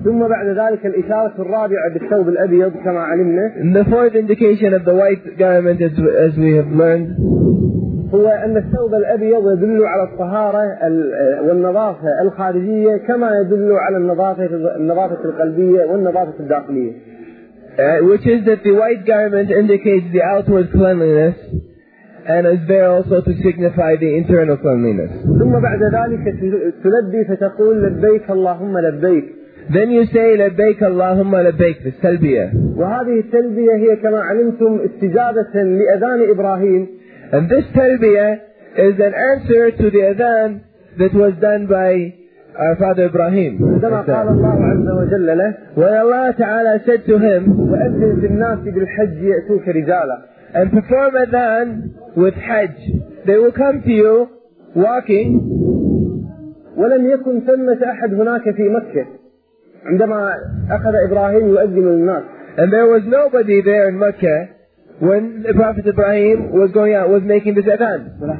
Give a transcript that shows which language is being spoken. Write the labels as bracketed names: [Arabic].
[English] And the fourth indication of the white garment, as we have learned, [Arabic] هو أن الثوب الأبيض يدل على الطهارة والنظافة الخارجية كما يدل على النظافة القلبية والنظافة الداخلية. [English] Which is that the white garment indicates the outward cleanliness and is there also to signify the internal cleanliness. [Arabic] ثم بعد ذلك تلبي فتقول لبيك اللهم لبيك. [English] Then you say [Arabic] لبيك اللهم لبيك [English] في التلبية. [Arabic] وهذه التلبية هي كما علمتم استجابة لأذان إبراهيم. [English] And this talbiyah is an answer to the adhan that was done by our father Ibrahim. When Allah Ta'ala said to him, and perform adhan with hajj, they will come to you walking. [Arabic] ولم يكن ثمة أحد هناك في مكة عندما أخذ إبراهيم يؤذن الناس. [English] And there was nobody there in Mecca when the Prophet Ibrahim was going out, was making this adhan.